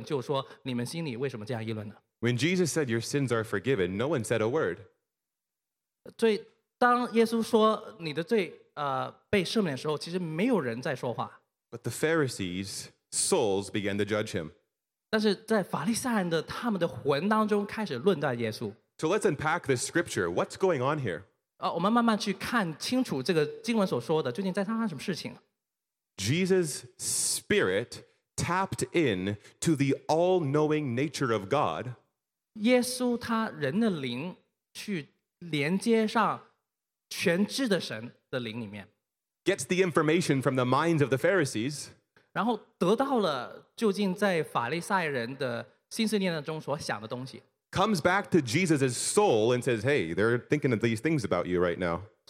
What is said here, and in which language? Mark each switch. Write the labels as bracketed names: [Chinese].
[Chinese] 这里翻译出来呢，看不出英文那个大小写，但我告诉大家，在耶稣心中，那心呢，原来的字是灵，而且灵那个对应字spirit呢是不写大写，是小写的。所以那你所指心中是指耶稣在他人的灵当中知道他们心里这样议论，就说你们心里为什么这样议论呢？ [English] When Jesus said your sins are forgiven, no one said a word. [Chinese] 所以当耶稣说你的罪被赦免的时候，其实没有人在说话。 [English] But the Pharisees' souls began to judge him. [Chinese] 但是在法利赛人的他们的魂当中开始论断耶稣。 [English] So let's unpack this scripture. What's going on here? [Chinese] 我们慢慢去看清楚这个经文所说的，究竟在发生什么事情。 [English] Jesus' spirit tapped in to the all-knowing nature of God. [Chinese] 耶稣他人的灵去连接上全知的神的灵里面。 [English] Gets the information from the minds of the Pharisees. [Chinese] 然后得到了究竟在法利赛人的新思念中所想的东西。 [English] Comes back to Jesus' soul and says, "Hey, they're thinking of these things about you right now."